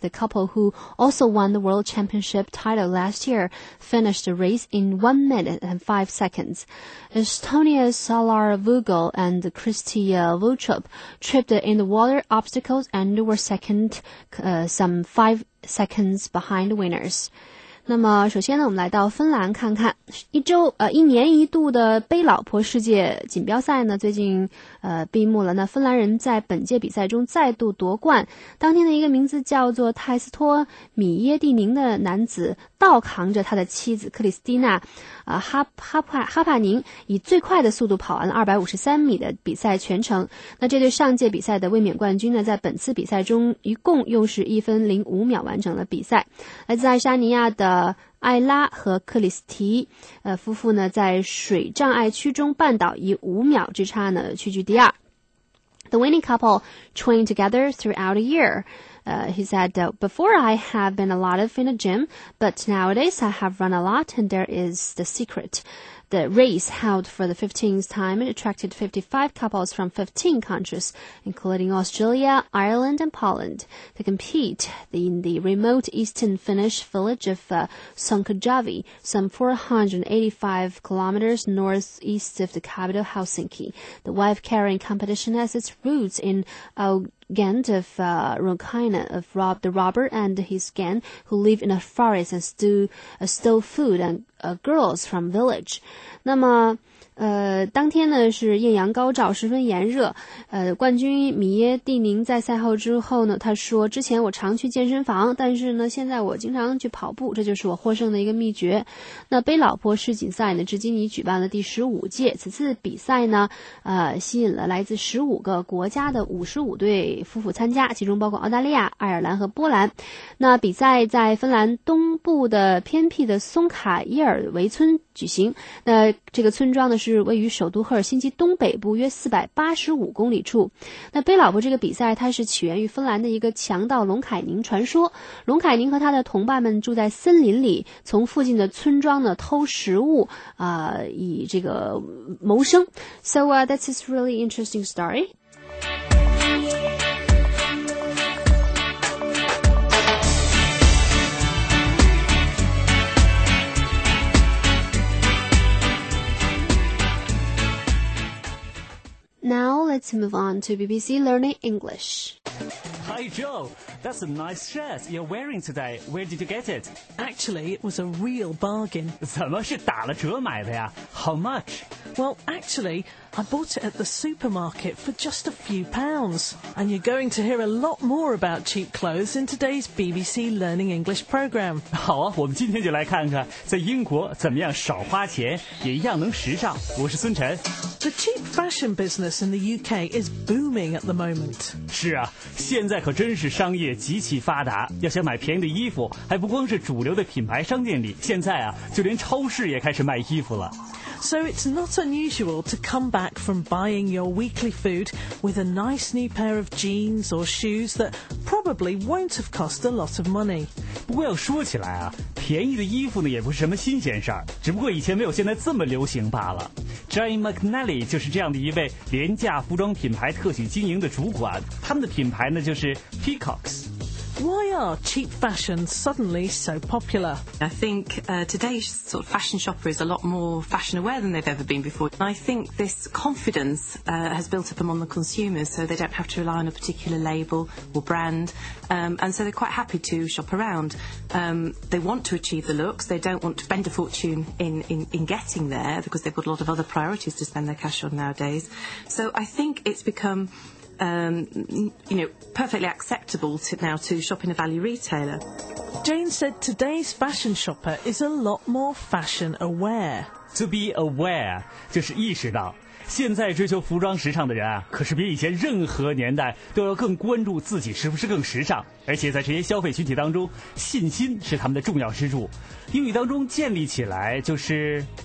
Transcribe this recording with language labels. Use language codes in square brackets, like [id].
[en] The couple, who also won the World Championship title last year, finished the race in 1 minute and 5 seconds. Estonia Salar Vugel and Kristi Voutrup tripped in the water obstacles and were second some 5 seconds behind the winners. [zh] 那么首先呢，我们来到芬兰看看一年一度的背老婆世界锦标赛呢，最近闭幕了。那芬兰人在本届比赛中再度夺冠。当天的一个名字叫做泰斯托米耶蒂宁的男子倒扛着他的妻子克里斯蒂娜哈帕宁，以最快的速度跑完了253米的比赛全程。那这对上届比赛的卫冕冠军呢，在本次比赛中一共又是1分05秒完成了比赛。来自爱沙尼亚的艾拉和克里斯提夫妇呢，在水障碍区中绊倒，以5秒之差呢屈居第二。 [en] The winning couple trained together throughout the year. He said, before I have been a lot of in the gym, but nowadays I have run a lot and there is the secret. The race held for the 15th time and attracted 55 couples from 15 countries, including Australia, Ireland and Poland, to compete in the remote eastern Finnish village of Sunkajavi, some 485 kilometers northeast of the capital Helsinki. The wife-carrying competition has its roots in Gant of Rukaina, of Rob the Robber and his gang, who live in a forest and stole food and girls from village. [zh] 那么当天呢是艳阳高照，十分炎热。冠军米耶蒂宁在赛后之后呢，他说：“之前我常去健身房，但是呢，现在我经常去跑步，这就是我获胜的一个秘诀。” 那杯老婆世锦赛呢，至今已举办了第15届。此次比赛呢，吸引了来自15个国家的55对夫妇参加，其中包括澳大利亚、爱尔兰和波兰。那比赛在芬兰东部的偏僻的松卡伊尔维村举行。那这个村庄呢，是位于首都赫尔辛基东北部约485公里处。那杯老婆这个比赛，它是起源于芬兰的一个强盗龙凯宁传说。龙凯宁和他的同伴们住在森林里，从附近的村庄呢偷食物，以这个谋生。 [en] So that is really interesting story. Now let's move on to BBC Learning English. Hi Joe, that's a nice shirt you're wearing today. Where did you get it? Actually, it was a real bargain. [zh] 怎么是打了折买的呀? [en] How much? Well, actually, I bought it at the supermarket for just a few pounds. And you're going to hear a lot more about cheap clothes in today's BBC Learning English program. [zh] 好啊，我们今天就来看看在英国怎么样少花钱也一样能时尚。我是孙晨。 [en] The cheap fashion business in the UK is booming at the moment. [zh] 是啊，现在可真是商业极其发达。要想买便宜的衣服，还不光是主流的品牌商店里，现在啊，就连超市也开始卖衣服了。 [en] So it's not unusual to come back from buying your weekly food with a nice new pair of jeans or shoes that probably won't have cost a lot of money. [zh] 不过要说起来啊，便宜的衣服呢也不是什么新鲜事儿，只不过以前没有现在这么流行罢了。 Jay McNally 就是这样的一位廉价服装品牌特许经营的主管，他们的品牌呢就是 Peacocks。 [en] Why are cheap fashion suddenly so popular? I think today's sort of fashion shopper is a lot more fashion aware than they've ever been before. I think this confidence has built up among the consumers, so they don't have to rely on a particular label or brand, and so they're quite happy to shop around. They want to achieve the looks, they don't want to spend a fortune in getting there, because they've got a lot of other priorities to spend their cash on nowadays. So I think it's becomeperfectly acceptable to shop in a value retailer. Jane said today's fashion shopper is a lot more fashion aware. To be aware [zh] 就是意识到，现在追求服装时尚的人啊，可是比以前任何年代都要更关注自己是不是更时尚。而且在这些消费群体当中，信心是他们的重要支柱。英语当中建立起来就是